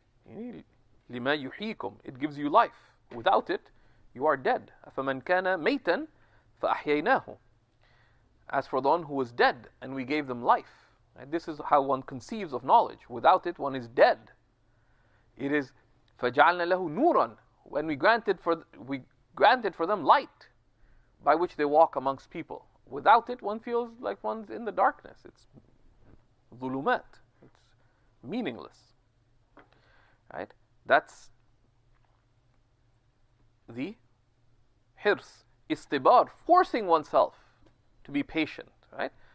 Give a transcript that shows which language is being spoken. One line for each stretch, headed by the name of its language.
Arabic: لِمَا يُحْيِيكُمْ.
English: It gives you life. Without it, you are dead.
Arabic: أَفَمَنْ كَانَ مَيْتًا فَأَحْيَيْنَاهُ.
English: As for the one who was dead, and we gave them life. Right? This is how one conceives of knowledge. Without it, one is dead. It is
Arabic: فَجَعَلْنَا لَهُ نُورًا.
English: When we granted for them light by which they walk amongst people. Without it, one feels like one's in the darkness. It's ظُلُمَات. It's meaningless. Right? That's the hirs, istibar, forcing oneself to be patient. Right?